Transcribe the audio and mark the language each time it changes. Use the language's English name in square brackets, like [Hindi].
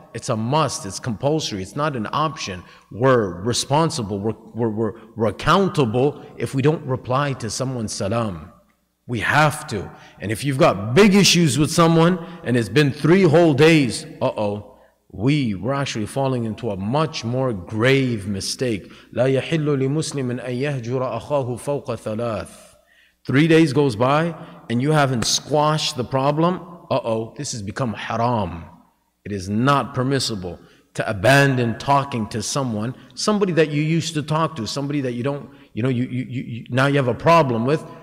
[English] It's a must. It's compulsory. It's not an option. We're responsible. We're accountable if we don't reply to someone's salam. We have to. And if you've got big issues with someone and it's been 3 whole days, we're actually falling into a much more grave mistake. [Arabic] لا يحل لمسلم أن يهجر أخاه فوق ثلاث. [English] 3 days goes by and you haven't squashed the problem. This has become haram. It is not permissible to abandon talking to someone, somebody that you used to talk to, somebody that you don't, you know, now you have a problem with.